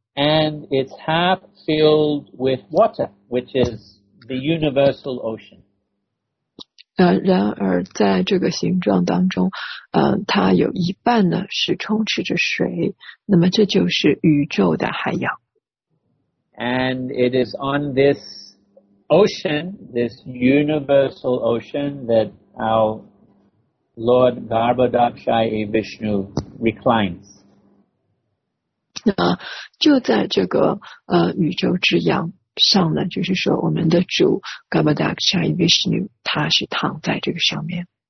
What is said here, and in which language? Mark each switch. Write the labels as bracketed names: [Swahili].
[English] And it's half filled with water, which is the universal ocean. [Chinese] 然而在这个形状当中它有一半呢是充斥着水，那么这就是宇宙的海洋。 [English] And it is on this ocean, this universal ocean, that our Lord Garbhodakshayi Vishnu reclines. [Chinese] 就在这个宇宙之洋上呢，就是说我们的主 Garbhodakshayi Vishnu他是躺在这个上面。